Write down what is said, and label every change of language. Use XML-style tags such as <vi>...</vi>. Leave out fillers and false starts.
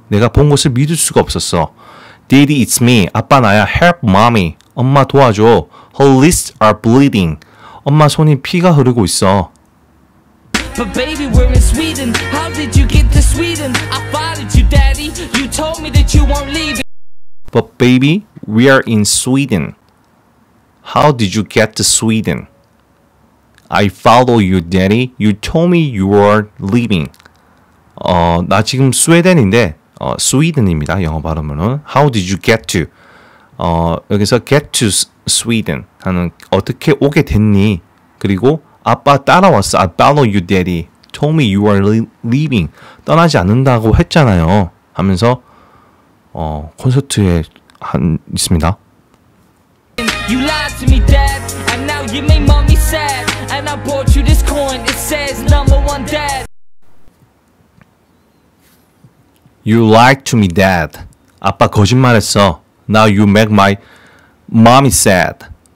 <ko>내가 본 것을 믿을 수가 없었어.</ko> <en>Daddy, it's me.</en> <ko>아빠 나야.</ko> <en>Help mommy.</en> <ko>엄마 도와줘.</ko> <en>Her lips are bleeding.</en> <ko>엄마 손이 피가 흐르고 있어.</ko> <en>But baby, we're in Sweden. How did you get to Sweden? I followed you, daddy. You told me that you won't leave. But baby, we are in Sweden. How did you get to Sweden? I follow you, daddy. You told me you are leaving.</en> <ko>나 지금 스웨덴인데. 스웨덴입니다. 영어 발음으로는</ko> <en>How did you get to?</en> <ko>여기서</ko> <en>get to Sweden</en> <ko>하는 어떻게 오게 됐니? 그리고 아빠 따라왔어.</ko> <en>I follow you, daddy. Told me you are leaving.</en> <ko>떠나지 않는다고 했잖아요. 하면서 콘서트에 한 있습니다.</ko> <en>You lied to me, dad. And now you made mommy sad. And I bought you this coin. It says number one dad. You lied to me, dad.</en> <ko>아빠 거짓말했어.</ko> <en>Now you make my mommy sad.</en>